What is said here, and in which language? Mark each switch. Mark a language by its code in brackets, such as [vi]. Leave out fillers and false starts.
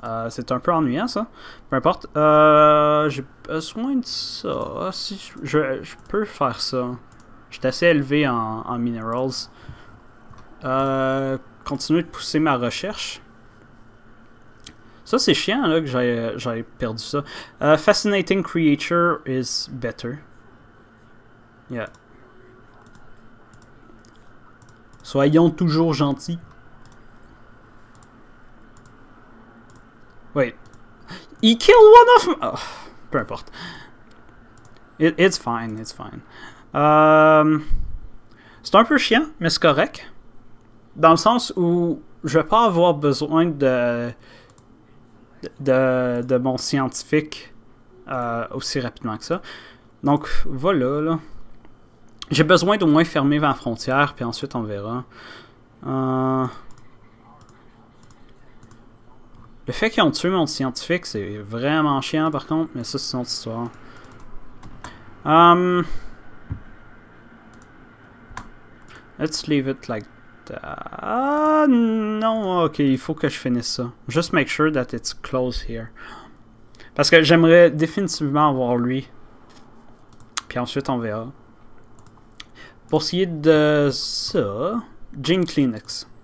[fr] C'est un peu ennuyant, ça. Peu importe. J'ai besoin de ça. Si je peux faire ça. J'étais assez élevé en minerals. Continuer de pousser ma recherche. Ça, c'est chiant, là, que j'avais perdu ça. [en] Fascinating creature is better. Yeah. [fr] Soyons toujours gentils. [en] Wait. He killed one of my. Oh, [fr] peu importe. [en] It's fine, it's fine. [fr] C'est un peu chiant, mais c'est correct. Dans le sens où je vais pas avoir besoin de mon scientifique aussi rapidement que ça. Donc voilà, là. J'ai besoin d'au moins fermer ma frontière, puis ensuite on verra. Le fait qu'ils ont tué mon scientifique, c'est vraiment chiant par contre, mais ça c'est une autre histoire. [en] Let's leave it like that. [fr] Ah, non, ok, il faut que je finisse ça. [en] Just make sure that it's close here. [fr] Parce que j'aimerais définitivement avoir lui. Puis ensuite, on verra. Pour ce qui est de ça, Jean Kleenex.